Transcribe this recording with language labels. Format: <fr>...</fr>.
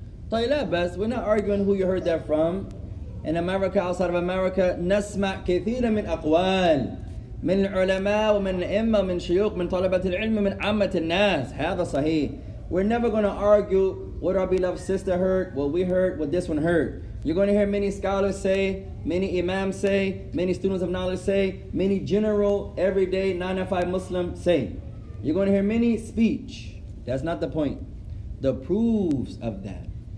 <ar>بس</ar> <en>we're not arguing who you heard that from. In America, outside of America,</en> <ar>نسمع كثيرا من أقوال من العلماء ومن الأئمة من شيوخ من طلبة العلم من عامة الناس. هذا صحيح.</ar> <en>We're never going to argue what our beloved sister heard, what we heard, what this one heard. You're going to hear many scholars say, many imams say, many students of knowledge say, many general, everyday, 9-to-5 Muslim say. You're going to hear many speech. That's not the point. The proofs of that.</en>